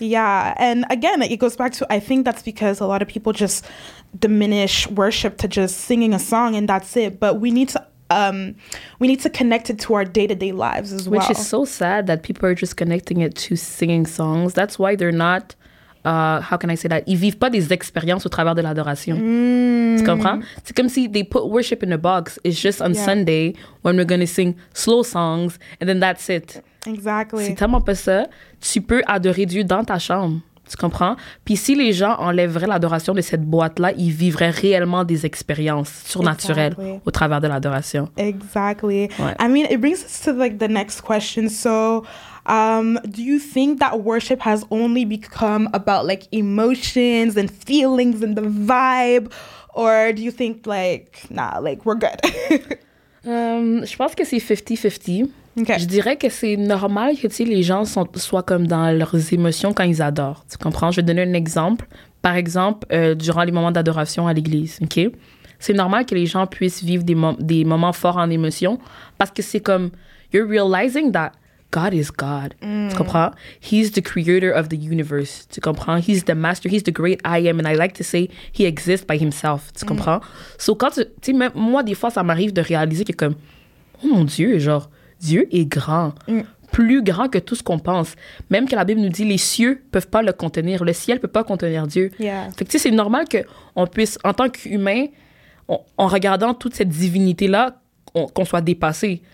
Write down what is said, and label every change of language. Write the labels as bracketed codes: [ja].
[en] Yeah, and again, it goes back to, I think that's because a lot of people just diminish worship to just singing a song and that's it. But we need to connect it to our day-to-day lives as well. Which is so sad that people are just connecting it to singing songs. That's why they're not, how can I say that? [fr] Ils vivent pas des expériences au travers de l'adoration. Tu comprends? C'est comme si [en] they put worship in a box. It's just on Sunday when we're going to sing slow songs and then that's it. Exactly. [fr] C'est tellement pas ça. Tu peux adorer Dieu dans ta chambre. Tu comprends? Puis si les gens enlèveraient l'adoration de cette boîte-là, ils vivraient réellement des expériences surnaturelles au travers de l'adoration. [en] Exactly. Ouais. I mean, it brings us to like the next question. So, do you think that worship has only become about like emotions and feelings and the vibe? Or do you think like, nah, like we're good? [fr] Je pense que c'est 50-50. Okay. Je dirais que c'est normal que les gens soient comme dans leurs émotions quand ils adorent. Tu comprends? Je vais donner un exemple. Par exemple, durant les moments d'adoration à l'église, okay? C'est normal que les gens puissent vivre des moments forts en émotion parce que c'est comme, [en] you're realizing that God is God. [fr] Mm. Tu comprends? [en] He's the creator of the universe. [fr] Tu comprends? [en] He's the master. He's the great I am. And I like to say he exists by himself. [fr] Tu comprends? So quand tu sais, moi, des fois, ça m'arrive de réaliser que comme, oh mon Dieu, genre, Dieu est grand, plus grand que tout ce qu'on pense. Même que la Bible nous dit, les cieux ne peuvent pas le contenir, le ciel ne peut pas contenir Dieu. [en] Yeah. [fr] Fait que, tu sais, c'est normal qu'on puisse, en tant qu'humain, en regardant toute cette divinité-là, qu'on soit dépassé.